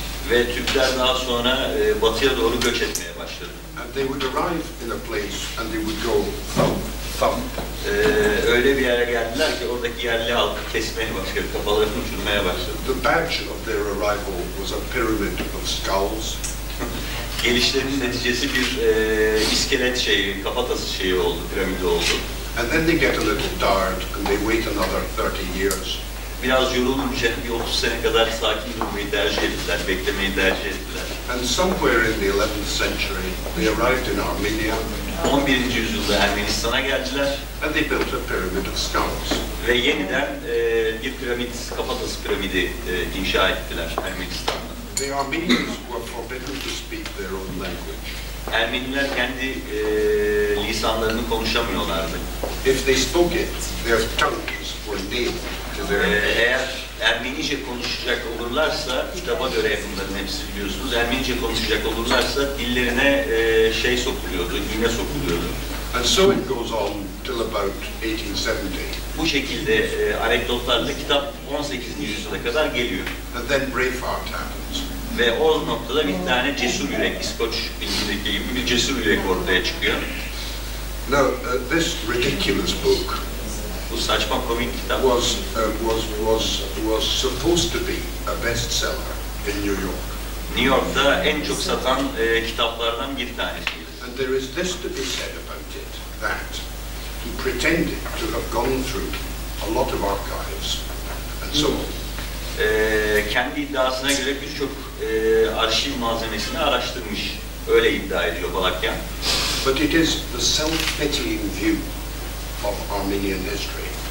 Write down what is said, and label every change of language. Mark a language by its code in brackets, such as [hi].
[tr] Ve Türkler daha sonra batıya doğru göç etmeye başladı. [en] And they would arrive in a place and they would go thump, thump. [tr] Öyle bir yere geldiler ki oradaki yerli halkı kesmeye başladı, kafalarını uçurmaya başladı. [en] The badge of their arrival was a pyramid of skulls. [tr] Gelişlerinin neticesi bir iskelet şeyi, kafatası şeyi oldu, piramidi oldu. [en] And then they get a little tired and they wait another 30 years. [tr] Biraz yorulunca bir 30 sene kadar sakin durmayı tercih ettiler, beklemeyi tercih ettiler. [en] And somewhere in the 11th century they arrived in Armenia. [tr] 11. yüzyılda Ermenistan'a geldiler. [en] And they built a pyramid of skulls. [tr] Ve yeniden bir piramit, kafatası piramidi inşa ettiler Ermenistan'da. [en] The Armenians were forbidden to speak their own language. [tr] Ermeniler kendi lisanlarını konuşamıyorlardı. [en] If they spoke it, their tongues were nailed to their language. [tr] Eğer Ermenice konuşacak olurlarsa, kitaba göre bunların hepsi biliyorsunuz, Ermenice konuşacak olurlarsa dillerine şey sokuluyordu, iğne sokuluyordu. [en] And so it goes on till about 1870. [tr] Bu şekilde anekdotlarla kitap 18. yüzyıla kadar geliyor. [en] And then Braveheart happened. [tr] Ve o noktada bir tane cesur yürek, İskoç bilgisindeki gibi bir cesur yürek ortaya çıkıyor. [en] Now, this ridiculous book [tr] bu saçma komik kitap [en] was supposed to be a bestseller in New York. [tr] New York'ta en çok satan kitaplardan bir tanesi. [en] And there is this to be said about it, that he pretended to have gone through a lot of archives and so on. [tr] Kendi iddiasına göre birçok arşiv malzemesini araştırmış, öyle iddia ediyor Balakyan. [en] But it is the self-pitying view of Armenian history.